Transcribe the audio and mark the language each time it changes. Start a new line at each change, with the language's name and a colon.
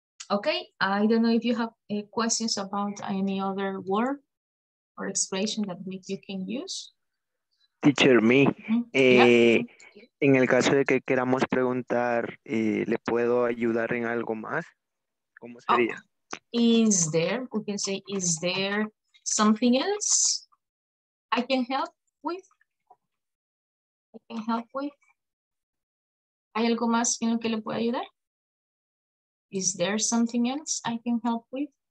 English: Okay, I don't know if you have questions about any other word or expression that you can use.
Spanish: Teacher me, en el caso de que queramos preguntar, ¿le puedo ayudar en algo más? ¿Cómo sería? Oh.
English: Is there something else I can help with?
Spanish: ¿Hay algo más en lo que le pueda ayudar?
English: Is there something else I can help with?